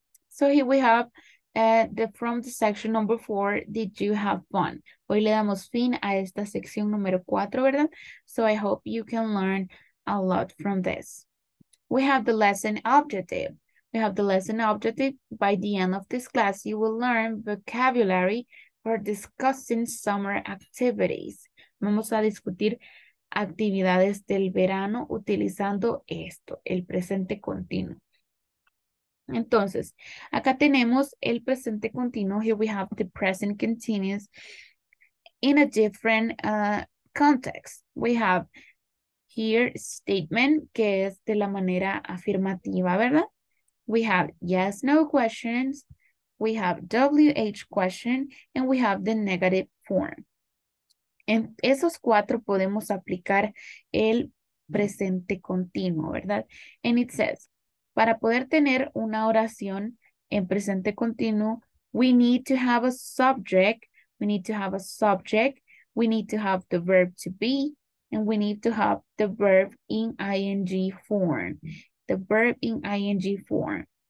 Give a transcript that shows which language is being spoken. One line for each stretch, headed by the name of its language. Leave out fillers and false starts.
English: So here we have from the section number 4, did you have fun?
Spanish: Hoy le damos fin a esta sección número 4, ¿verdad?
English: So I hope you can learn a lot from this. We have the lesson objective. We have the lesson objective. By the end of this class, you will learn vocabulary for discussing summer activities.
Spanish: Vamos a discutir actividades del verano utilizando esto, el presente continuo. Entonces, acá tenemos el presente continuo.
English: Here we have the present continuous in a different context. We have here statement,
Spanish: que es de la manera afirmativa, ¿verdad?
English: We have yes, no questions. We have WH question. And we have the negative form.
Spanish: En esos cuatro podemos aplicar el presente continuo, ¿verdad?
English: And it says,
Spanish: para poder tener una oración en presente continuo,
English: we need to have a subject, we need to have a subject, we need to have the verb to be, and we need to have the verb in ing form, the verb in ing form.